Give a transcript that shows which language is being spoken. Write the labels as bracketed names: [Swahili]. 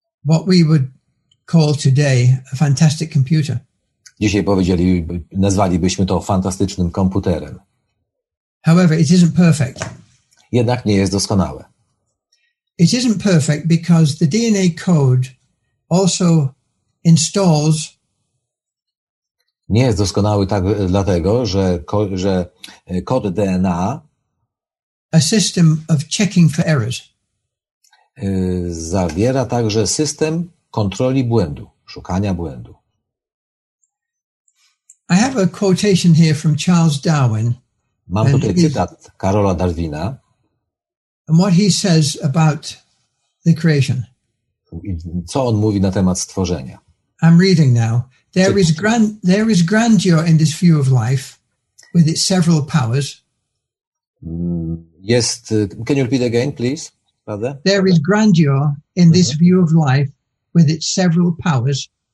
[English] What we would call today a fantastic computer. [Polish] Dzisiaj nazwalibyśmy to fantastycznym komputerem. [English] However, it isn't perfect. [Polish] Jednak nie jest doskonałe. [English] It isn't perfect because the DNA code also installs. [Polish] Nie jest doskonały tak dlatego, że kod DNA. [English] A system of checking for errors. [Polish] Zawiera także system kontroli błędu, szukania błędu. [English] I have a quotation here from Charles Darwin. [Polish] Mam tutaj cytat Karola Darwina. [English] And what he says about the creation. [Polish] Co on mówi na temat stworzenia? [English] I'm reading now. There is grandeur in this view of life with its several powers. [Polish] Jest, [English] can you repeat again, please, brother? There is grandeur in this view of life with its several powers.